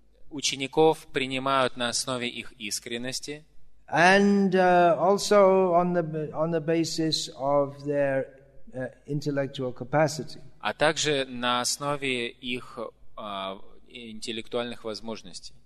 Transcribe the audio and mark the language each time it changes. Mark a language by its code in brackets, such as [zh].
[ru] Учеников принимают на основе их искренности. [en] And also on the basis of their intellectual capacity. [ru] А также на основе их интеллектуальных возможностей.